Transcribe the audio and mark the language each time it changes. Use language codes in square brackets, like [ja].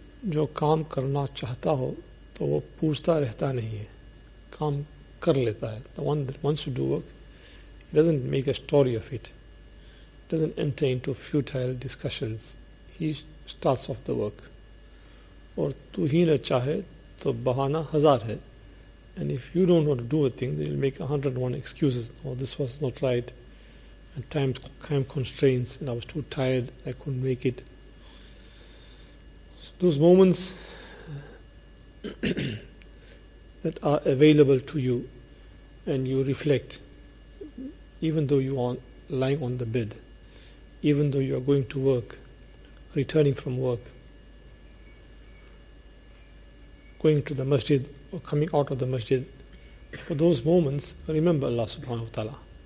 [ur] جو کام کرنا چاہتا ہو تو وہ پوچھتا رہتا نہیں ہے, کام کر لیتا ہے. [en] The one that wants to do work, he doesn't make a story of it, doesn't enter into futile discussions, he starts off the work. [ur] اور تو ہی نہ چاہے تو بہانہ ہزار ہے. [en] And if you don't want to do a thing, then you'll make 101 excuses. Oh, this was not right, and time constraints, and I was too tired, I couldn't make it. So those moments that are available to you, and you reflect, even though you are lying on the bed, even though you are going to work, returning from work, going to the masjid or coming out of the masjid, for those moments, remember Allah subhanahu wa ta'ala.